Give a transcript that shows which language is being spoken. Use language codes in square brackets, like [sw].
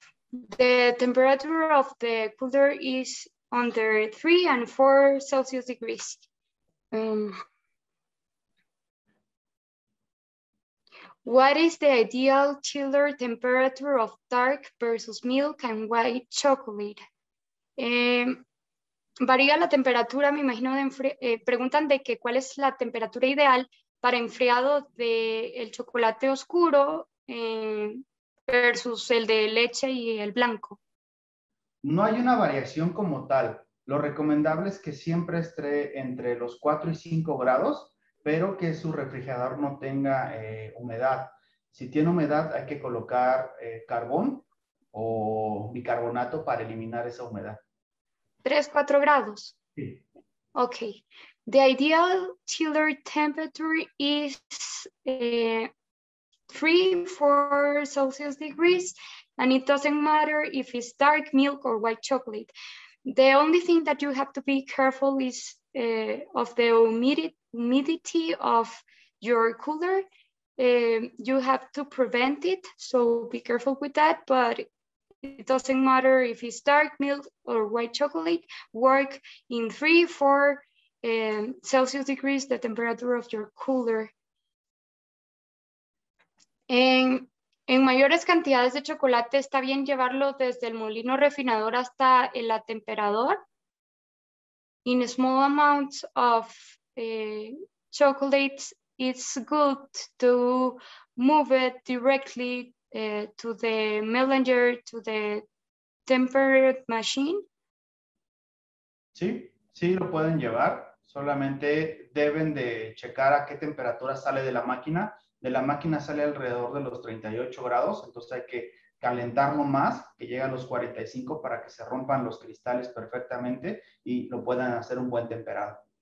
[en] The temperature of the cooler is under 3 and 4 Celsius degrees. What is the ideal chiller temperature of dark versus milk and white chocolate? [es] Varía la temperatura, me imagino, preguntan de que cuál es la temperatura ideal para enfriado de el chocolate oscuro versus el de leche y el blanco. No hay una variación como tal. Lo recomendable es que siempre esté entre los 4 y 5 grados, pero que su refrigerador no tenga humedad. Si tiene humedad, hay que colocar carbón o bicarbonato para eliminar esa humedad. 3, 4 grados. Sí. [en] Ok. The ideal chiller temperature is 3-4 Celsius degrees, and it doesn't matter if it's dark milk or white chocolate. The only thing that you have to be careful is of the humidity of your cooler. You have to prevent it, so be careful with that, but it doesn't matter if it's dark milk or white chocolate. Work in 3-4 Celsius degrees, the temperature of your cooler. [es] En mayores cantidades de chocolate, ¿está bien llevarlo desde el molino refinador hasta el atemperador? [en] In small amounts of chocolate, it's good to move it directly to the melanger, to the tempered machine. [es] Sí, sí, lo pueden llevar. Solamente deben de checar a qué temperatura sale de la máquina. De la máquina sale alrededor de los 38 grados, entonces hay que calentarlo más, que llegue a los 45 para que se rompan los cristales perfectamente y lo puedan hacer un buen temperado.